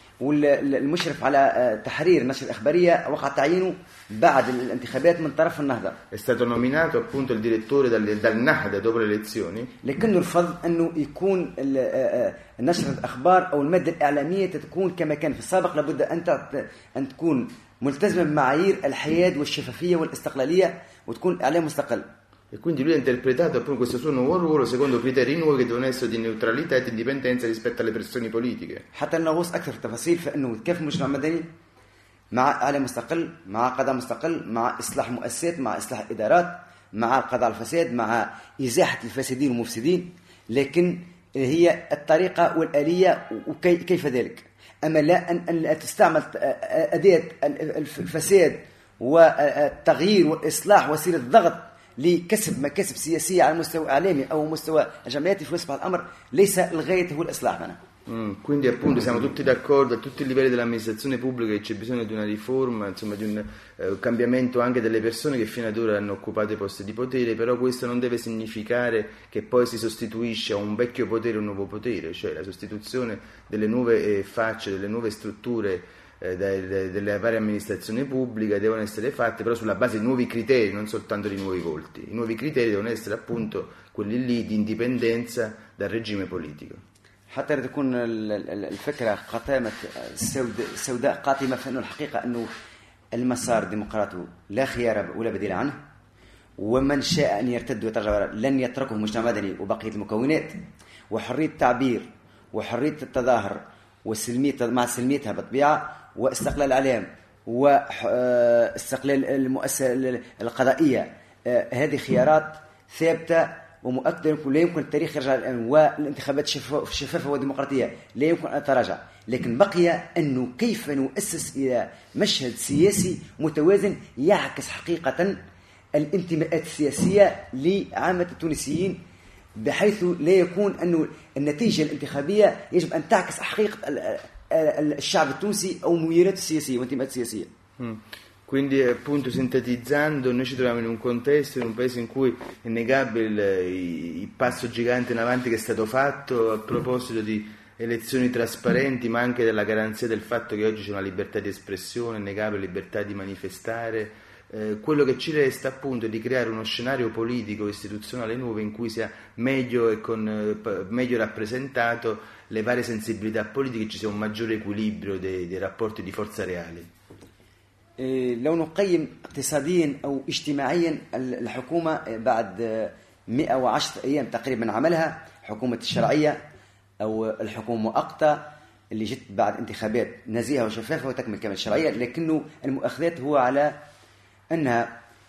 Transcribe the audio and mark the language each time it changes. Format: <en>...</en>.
<it>Il</it> <ar>مشرف على تحرير نشر الإخبارية وقع تعيينه بعد الانتخابات من طرف النهضة.</ar> <it>È stato nominato appunto il direttore dal Nahda dopo le elezioni.</it> <ar>لكنه رفض انه يكون نشر الاخبار او المادة الإعلامية تكون كما كان في السابق لابد ان تكون ملتزمة بمعايير الحياد والشفافية والاستقلالية وتكون إعلام مستقل.</ar> <it>E quindi lui ha interpretato appunto questo suo nuovo ruolo secondo criteri nuovi che devono essere di neutralità e di indipendenza rispetto alle pressioni politiche.</it> <ar>حتى نغوص أكثر تفاصيل فإنه كيف مجتمع مدني مع عالم مستقل مع قضاء مستقل مع إصلاح مؤسسات مع إصلاح إدارات مع القضاء على الفساد مع إزاحة الفاسدين والمفسدين لكن هي الطريقة والآلية وكيف ذلك أما لا أن تستعمل أداة الفساد والتغيير والإصلاح وسيلة الضغط لكسب مكاسب سياسية على مستوى إعلامي أو مستوى جمعياتي في وسط الأمر ليس الغاية هو الإصلاح منه.</ar> <it>Quindi appunto siamo tutti d'accordo a tutti i livelli dell'amministrazione pubblica che c'è bisogno di una riforma, insomma di un cambiamento anche delle persone che fino ad ora hanno occupato i posti di potere, però questo non deve significare che poi si sostituisce a un vecchio potere un nuovo potere, cioè la sostituzione delle nuove facce, delle nuove strutture delle varie amministrazioni pubbliche devono essere fatte però sulla base di nuovi criteri, non soltanto di nuovi volti. I nuovi criteri devono essere appunto quelli lì di indipendenza dal regime politico.</it> <ar>حتى تكون الفكرة قاتمة سوداء قاتمة فإن الحقيقة أنه المسار الديمقراطي لا خيار ولا بديل عنه ومن شاء أن يرتد ويتغير لن يتركه المجتمع المدني وبقية المكونات وحرية التعبير وحرية التظاهر وسلمية مع سلميتها بطبيعة واستقلال الإعلام واستقلال المؤسسة القضائية هذه خيارات ثابتة ومؤكد أنه لا يمكن التاريخ يرجع الآن والانتخابات شفافة وديمقراطية لا يمكن أن تراجع لكن بقي أنه كيف نؤسس إلى مشهد سياسي متوازن يعكس حقيقة الانتماءات السياسية لعامة التونسيين بحيث لا يكون أنه النتيجة الانتخابية يجب أن تعكس حقيقة الشعب التونسي أو ميولاته السياسية وانتماءاته السياسية.</ar> <it>Quindi appunto sintetizzando, noi ci troviamo in un contesto, in un paese in cui è innegabile il passo gigante in avanti che è stato fatto a proposito di elezioni trasparenti, ma anche della garanzia del fatto che oggi c'è una libertà di espressione, innegabile libertà di manifestare. Quello che ci resta appunto è di creare uno scenario politico istituzionale nuovo in cui sia meglio e con meglio rappresentato le varie sensibilità politiche, ci sia un maggiore equilibrio dei rapporti di forza reali.</it> <ar>لو نقيم اقتصاديا أو اجتماعيا الحكومة بعد 110 أيام تقريبا عملها حكومة الشرعية أو الحكومة المؤقتة اللي جت بعد انتخابات نزيهة وشفافة وتكمل كامل الشرعية لكنه المؤخذات هو على أنها</ar>